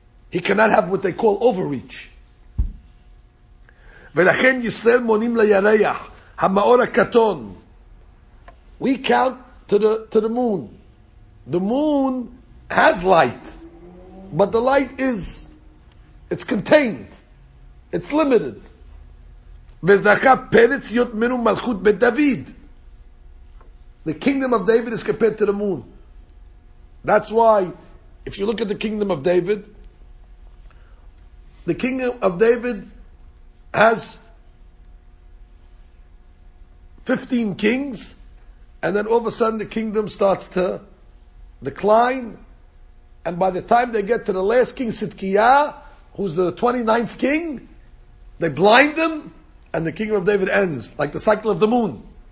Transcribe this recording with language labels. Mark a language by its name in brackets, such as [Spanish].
[English] He cannot have what they call overreach. [Hebrew] ולכן ישראל מונים לירח, המאור הקטון. [English] We count to the moon. The moon has light, but the light it's contained. It's limited. [Hebrew] וזכה פרץ להיות ממנו מלכות בית דוד. [English] The kingdom of David is compared to the moon. That's why, if you look at the kingdom of David, the kingdom of David has 15 kings, and then all of a sudden the kingdom starts to decline, and by the time they get to the last king, Sidkiyah, who's the 29th king, they blind them, and the kingdom of David ends, like the cycle of the moon.